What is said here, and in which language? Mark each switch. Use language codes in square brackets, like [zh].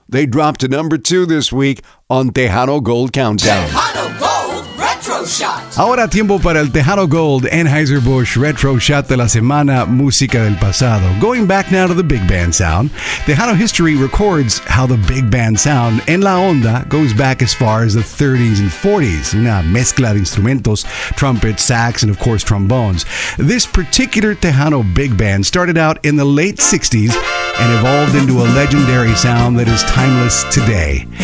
[en] They dropped to number 2 this week on Tejano Gold Countdown. Tejano Gold Retro Shot. [es] Ahora tiempo para el Tejano Gold Anheuser-Busch Retro Shot de la semana, música del pasado. [en] Going back now to the big band sound, Tejano history records how the big band sound [es] en la onda [en] goes back as far as the 30s and 40s. [es] Una mezcla de instrumentos, [en] trumpets, sax, and of course trombones. This particular Tejano big band started out in the late 60s and evolved into a legendary sound that is timeless today.